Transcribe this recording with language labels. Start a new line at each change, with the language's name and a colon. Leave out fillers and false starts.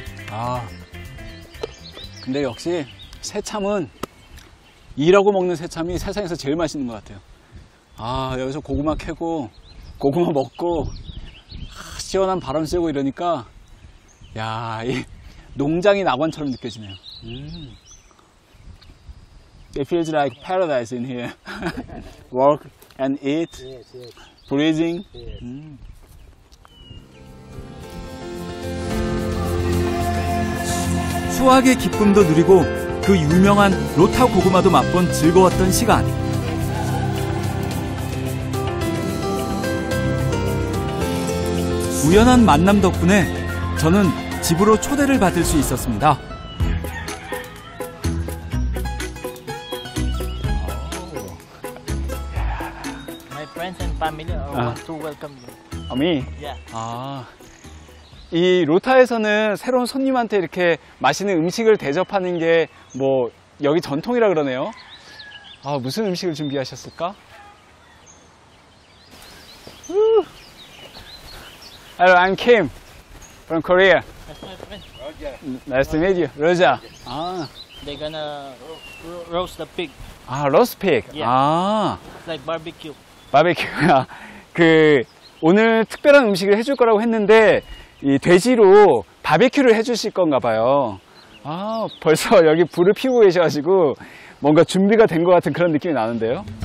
Korean: 아, 근데 역시 새참은 일하고 먹는 새참이 세상에서 제일 맛있는 것 같아요. 아, 여기서 고구마 캐고 고구마 먹고 아, 시원한 바람 쐬고 이러니까 야, 이 농장이 낙원처럼 느껴지네요.
English: It feels like paradise in here. Work and eat, breathing.
Korean: 수확의 기쁨도 누리고 그 유명한 로타 고구마도 맛본 즐거웠던 시간. 우연한 만남 덕분에 저는 집으로 초대를 받을 수 있었습니다. 오.
English: My friends and family want to welcome you. Oh, me? Yeah. 아.
Korean: 이 로타에서는 새로운 손님한테 이렇게 맛있는 음식을 대접하는 게 뭐 여기 전통이라 그러네요. 아, 무슨 음식을 준비하셨을까?
English: Hello, I'm Kim from Korea. Roger. Nice to meet you, Roger. Ah. They're gonna roast the pig. 아, roast pig. Yeah. 아. Like barbecue. Barbecue.
Korean: 그 오늘 특별한 음식을 해줄 거라고 했는데. 이 돼지로 바베큐를 해주실 건가 봐요. 아, 벌써 여기 불을 피우고 계셔가지고 뭔가 준비가 된 것 같은 그런 느낌이 나는데요.